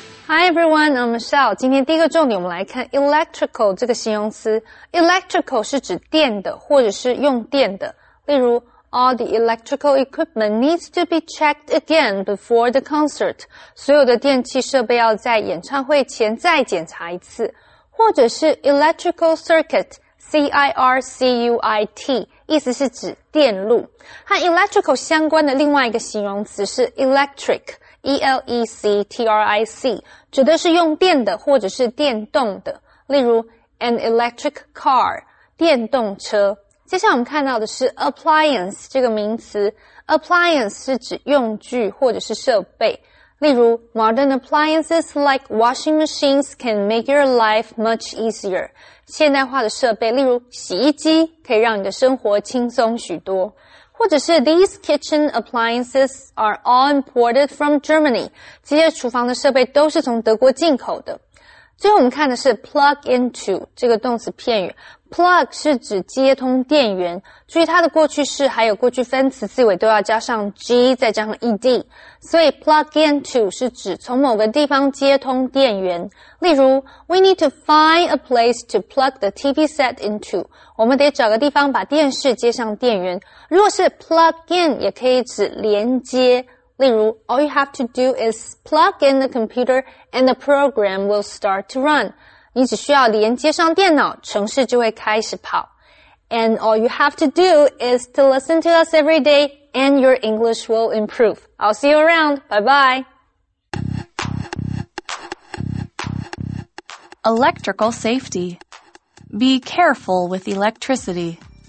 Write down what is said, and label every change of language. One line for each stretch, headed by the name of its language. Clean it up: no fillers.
English: Hi everyone, I'm Michelle.
Chinese: 今天第一个重点我们来看 electrical 这个形容词。 Electrical 是指电的或者是用电的。例如
English: ,all the electrical equipment needs to be checked again before the concert.
Chinese: 所有的电器设备要在演唱会前再检查一次。或者是
English: electrical circuit,
Chinese: C-I-R-C-U-I-T, 意思是指电路。和 electrical 相关的另外一个形容词是 electric,E-L-E-C-T-R-I-C, 指的是用电的或者是电动的。例如
English: ,an electric car,
Chinese: 电动车。接下来我们看到的是 appliance, 这个名词。Appliance 是指用具或者是设备。例如
English: ,modern appliances like washing machines can make your life much easier.
Chinese: 现代化的设备例如洗衣机可以让你的生活轻松许多。或者是
English: these kitchen appliances are all imported from Germany.
Chinese: 这些厨房的设备都是从德国进口的。最后我们看的是 plug into, 这个动词片语。 plug 是指接通电源。注意它的过去式还有过去分词字尾都要加上 g, 再加上 ed。所以 plug into 是指从某个地方接通电源。例如
English: ,we need to find a place to plug the TV set into.
Chinese: 我们得找个地方把电视接上电源。如果是 plug in, 也可以指连接。例如
English: ,all you have to do is plug in the computer and the program will start to run.
Chinese: 你只需要连接上电脑,程式就会开始跑。
English: And all you have to do is to listen to us every day and your English will improve. I'll see you around. Bye-bye. Electrical safety. Be careful with electricity.